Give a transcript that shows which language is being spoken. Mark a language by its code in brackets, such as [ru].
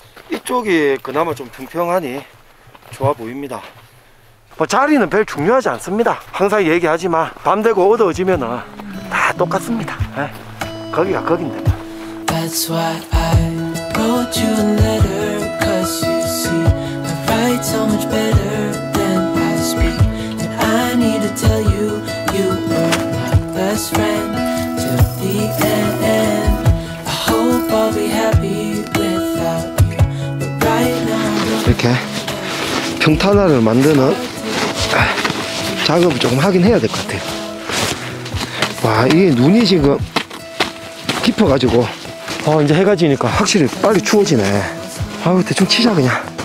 [ko] 이쪽이 그나마 좀 평평하니 좋아 보입니다. 뭐 자리는 별 중요하지 않습니다. 항상 얘기하지만 밤되고 어두워지면 다 똑같습니다. 거기가 거긴데. [en] That's why I wrote you a letter. So much better than I speak. And I need to tell you, you were my best friend till the end. I hope I'll be happy without you. But right now, [ko] 이렇게 평탄화를 만드는 작업을 조금 하긴 해야 될 것 같아요. 와, 이게 눈이 지금 깊어가지고, 이제 해가 지니까 확실히 빨리 추워지네. 아우, 대충 치자, 그냥.